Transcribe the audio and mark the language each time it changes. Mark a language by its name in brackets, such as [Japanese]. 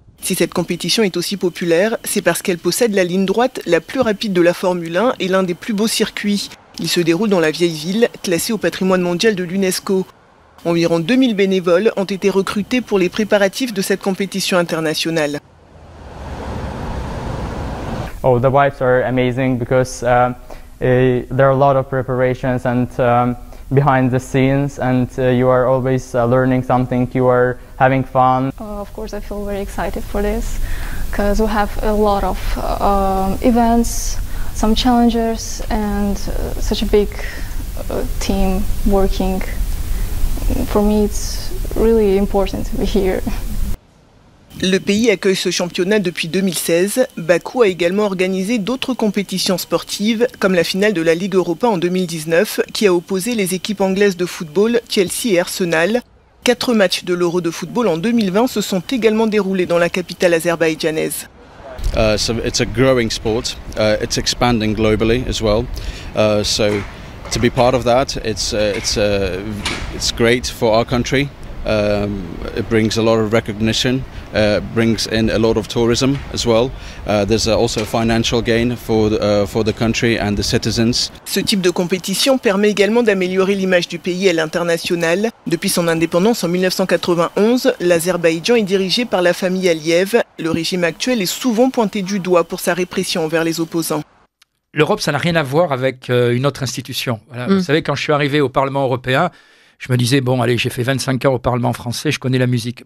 [French] Si cette compétition est aussi populaire, c'est parce qu'elle possède la ligne droite la plus rapide de la Formule 1 et l'un des plus beaux circuits. Il se déroule dans la vieille ville, classée au patrimoine mondial de l'UNESCO. Environ 2000 bénévoles ont été recrutés pour les préparatifs de cette compétition internationale. [English] Oh, the wipes are amazing because there are a lot of preparations and behind the scenes, and you are always learning something. You are having fun. Of course, I feel very excited for this because we have a lot of events, some challengers, and such a big team working. For me, it's really important to be here. [French] Le pays accueille ce championnat depuis 2016. Bakou a également organisé d'autres compétitions sportives, comme la finale de la Ligue Europa en 2019, qui a opposé les équipes anglaises de football, Chelsea et Arsenal. Quatre matchs de l'Euro de football en 2020 se sont également déroulés dans la capitale azerbaïdjanaise. [English] It's a growing sport. It's expanding globally as well. So to be part of that, it's great for our country. It brings a lot of recognition, brings in a lot of tourism as well. There's also a financial gain for the country and the citizens. [French] Ce type de compétition permet également d'améliorer l'image du pays à l'international. Depuis son indépendance en 1991, l'Azerbaïdjan est dirigé par la famille Aliyev. Le régime actuel est souvent pointé du doigt pour sa répression envers les opposants. L'Europe, ça n'a rien à voir avec une autre institution. Voilà. Mm. Vous savez, quand je suis arrivé au Parlement européen, je me disais, bon, allez, j'ai fait 25 ans au Parlement français, je connais la musique.